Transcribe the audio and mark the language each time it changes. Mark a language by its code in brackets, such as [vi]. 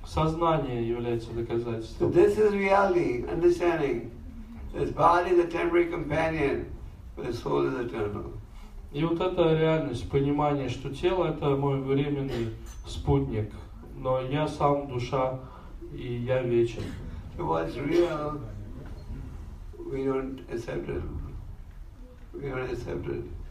[ru] Сознание является доказательством. [en] So this is reality, understanding. This body is a temporary companion, but the soul is eternal. [ru] И вот это реальность, понимание, что тело – это мой временный спутник. Но я сам душа, и я вечен. [en] What's real, we don't accept it. We don't accept it.